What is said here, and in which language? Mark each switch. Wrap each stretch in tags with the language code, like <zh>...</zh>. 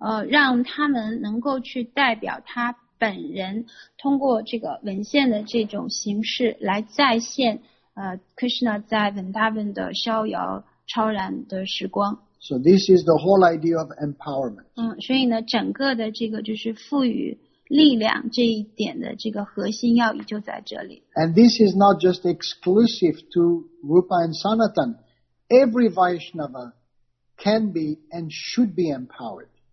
<zh>让他们能够去代表他本人，通过这个文献的这种形式来再现Krishna 在 Vrindavan 的逍遥超然的时光。</zh> <en>So this is the whole idea of empowerment.</en> <zh>所以呢，整个的这个就是赋予力量这一点的这个核心要义就在这里。</zh> <en>And this is not just exclusive to Rupa and Sanatan. every Vaishnava can be and should be empowered.</en>